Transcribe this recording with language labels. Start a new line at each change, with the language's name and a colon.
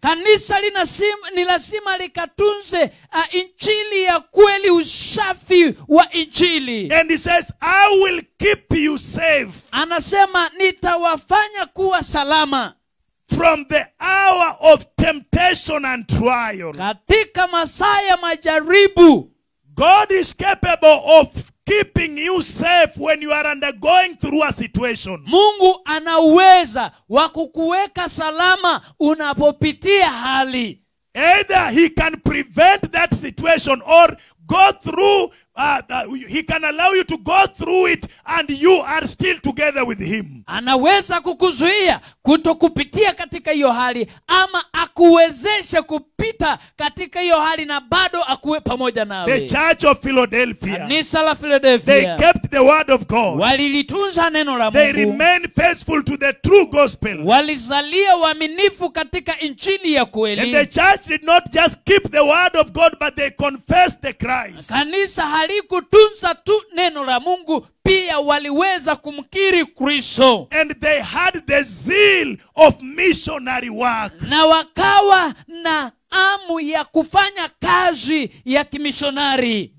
Swahili: Kanisa ni lazima likatunze injili ya kweli, usafi wa injili.
English: And he says, I will keep you safe,
Swahili: anasema nitawafanya kuwa salama,
English: from the hour of temptation and trial,
Swahili: katika masaa ya majaribu.
English: God is capable of keeping you safe when you are undergoing through a situation.
Swahili: Mungu anaweza wakukuweka salama unapopitia hali.
English: Either he can prevent that situation or go through, he can allow you to go through it and you are still together with him.
Swahili: Anaweza kukuzuia kutokupitia katika hiyo hali ama akuwezeshe kupita katika hiyo hali na bado akuwe pamoja nawe.
English: The church of Philadelphia.
Swahili: Kanisa la Philadelphia.
English: They kept the word of God.
Swahili: Walilitunza neno la Mungu.
English: They remained faithful to the true gospel.
Swahili: Walizalia waaminifu katika injili ya kweli.
English: And the church did not just keep the word of God but they confessed the Christ.
Swahili: Kanisa halikutunza tu neno la Mungu, pia waliweza kumkiri Kristo.
English: And they had the zeal of missionary work.
Swahili: Na wakawa na amu ya kufanya kazi ya kimishonari.